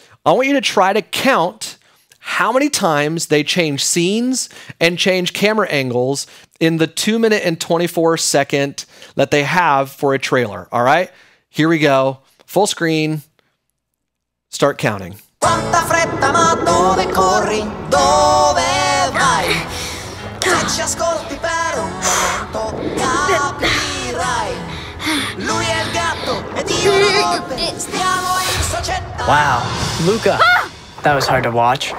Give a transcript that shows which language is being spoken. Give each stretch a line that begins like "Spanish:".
English: I want you to try to count how many times they change scenes and change camera angles in the 2 minute and 24 second that they have for a trailer. All right, here we go. Full screen, start counting.
Italian: Quanta fretta, ma dove corri? Dove vai? Cacci ascolti per un momento, capirai. Lui è il gatto ed io la volpe. Stiamo in società.
English: Wow, Luca, that was hard to watch.